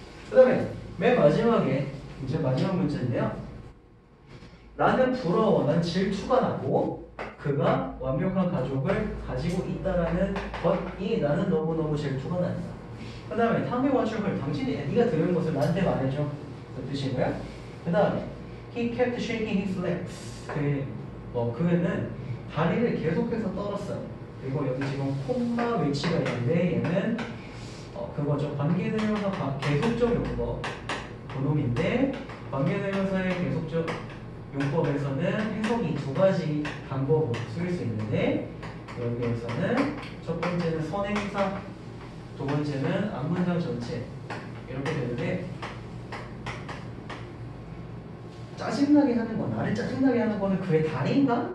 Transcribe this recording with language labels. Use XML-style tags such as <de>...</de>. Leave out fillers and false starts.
<ko>그 다음에 맨 마지막에 이제 마지막 문제인데요. 나는 부러워. 난 질투가 나고 그가 완벽한 가족을 가지고 있다라는 것이 나는 너무너무 질투가 난다. 그 다음에 탐의 원칙을 당신이 네가 들은 것을 나한테 말해줘. 뜻인가요? 그 다음에</ko> <en>He kept shaking his legs.</en> <ko>그는 다리를 계속해서 떨었어요. 그리고 여기 지금 콤마 위치가 있는데 얘는 그거죠. 관계대명사 계속적 용법 그놈인데 관계대명사의 계속적 용법에서는 해석이 두 가지 방법으로 쓰일 수 있는데 여기에서는 첫 번째는 선행사 두 번째는 앞문장 전체 이렇게 되는데 짜증나게 하는 건 나를 짜증나게 하는 거는 그의 다리인가?</ko>